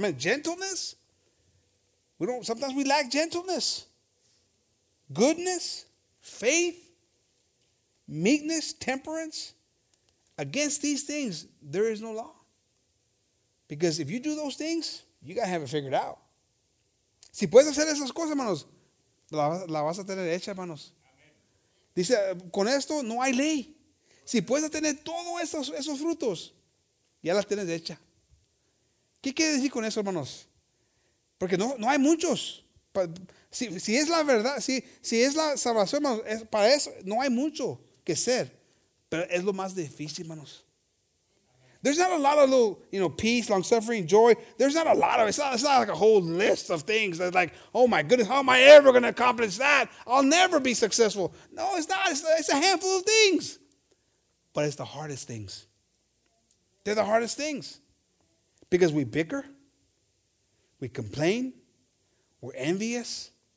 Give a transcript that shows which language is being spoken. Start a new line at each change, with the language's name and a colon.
English: Amen? Gentleness? Sometimes we lack gentleness. Goodness? Faith? Meekness? Temperance? Against these things, there is no law. Because if you do those things, you got to have it figured out.
Spanish: Si puedes hacer esas cosas, hermanos, la vas a tener hecha, hermanos. Dice, con esto no hay ley. Si puedes tener todos esos frutos, ya las tienes hecha. ¿Qué quiere decir con eso, hermanos? Porque no hay muchos. Si es la verdad, si es la salvación, hermanos, para eso no hay mucho que ser. Pero es lo más difícil, hermanos.
English: There's not a lot of little, peace, long-suffering, joy. There's not a lot of, it's not like a whole list of things that's like, oh my goodness, how am I ever going to accomplish that? I'll never be successful. No, it's not. It's a handful of things. But it's the hardest things. They're the hardest things. Because we bicker. We complain. We're envious.